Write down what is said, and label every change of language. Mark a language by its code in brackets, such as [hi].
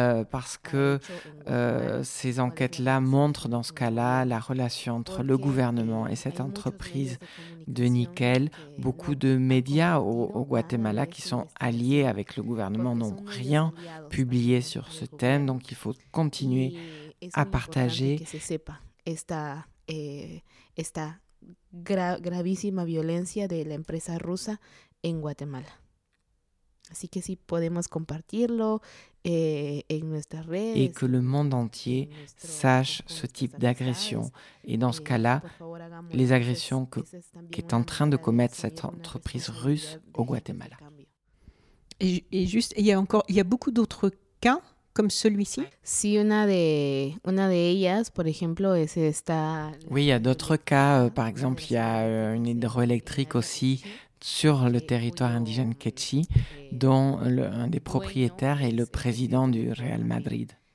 [fr] Parce que ces enquêtes-là montrent dans ce cas-là la relation entre le gouvernement et cette entreprise de nickel. Beaucoup de médias au Guatemala qui sont alliés avec le gouvernement n'ont rien publié sur ce thème, donc il faut continuer à partager. [es] Esta gravísima violencia de la empresa rusa en Guatemala. Así que si podemos compartirlo en nuestras redes. [fr] Et que le monde entier sache ce type d'agression. Et dans ce cas-là, les agressions qu'est en train de commettre cette entreprise russe au Guatemala. Et juste, il y a beaucoup d'autres cas comme celui-ci. [es] Si una de ellas, por ejemplo, es esta. [fr] Oui, il y a d'autres cas. Par exemple, il y a une hydroélectrique aussi sur le territoire indigène Quechi, dont un des propriétaires est le président du Real Madrid.